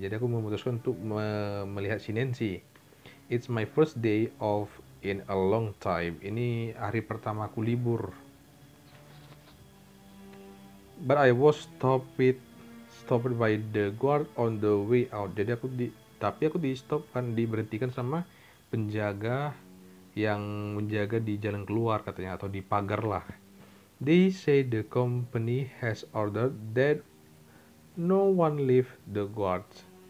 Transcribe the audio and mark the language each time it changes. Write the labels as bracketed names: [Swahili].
[Indonesian] Jadi aku memutuskan untuk melihat si Nancy. [English] It's my first day off in a long time. [Indonesian] Ini hari pertama aku libur. [English] But I was stopped by the guard on the way out. [Indonesian] Jadi aku diberhentikan sama penjaga yang menjaga di jalan keluar katanya, atau di pagar lah. [English] They say the company has ordered that no one leave the guards.